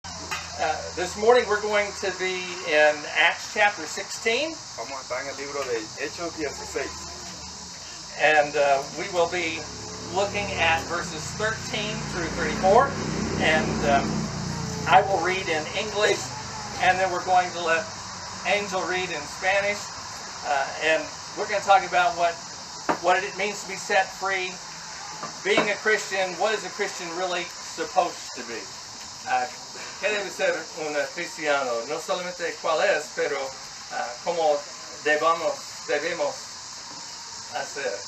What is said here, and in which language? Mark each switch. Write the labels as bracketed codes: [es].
[en] This morning we're going to be in Acts chapter 16. [es] Vamos a estar en el libro de Hechos 16. [en] And we will be looking at verses 13 through 34. And I will read in English, and then we're going to let Angel read in Spanish. And we're going to talk about what it means to be set free, being a Christian, what is a Christian really supposed to be? [es] ¿Qué debe ser un cristiano? No solamente cuál es, pero cómo debemos hacer.